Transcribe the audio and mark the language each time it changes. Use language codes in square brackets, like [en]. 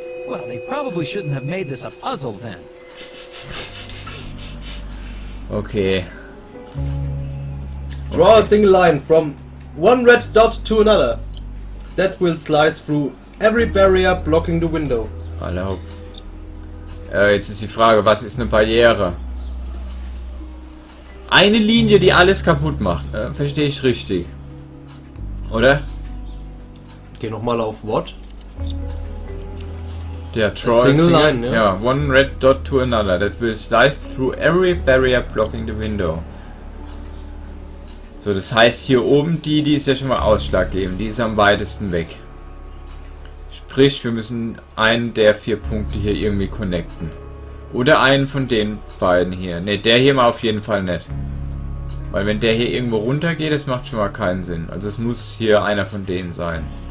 [en] Well, they probably shouldn't have made this a puzzle then. Okay. Draw a single line from one red dot to another. That will slice through every barrier blocking the window. [de] Erlaub. Jetzt ist die Frage, was ist eine Barriere? Eine Linie, die alles kaputt macht. Verstehe ich richtig. Oder? Geh nochmal auf [en] what? Der Troy [de] Single Line, hier, ja. [en] Ja, one red dot to another. That will slice through every barrier blocking the window. [de] So, das heißt, hier oben, die ist ja schon mal ausschlaggebend. Die ist am weitesten weg. Sprich, wir müssen einen der vier Punkte hier irgendwie connecten. Oder einen von den beiden hier. Ne, der hier mal auf jeden Fall nicht. Weil wenn der hier irgendwo runter geht, das macht schon mal keinen Sinn. Also es muss hier einer von denen sein.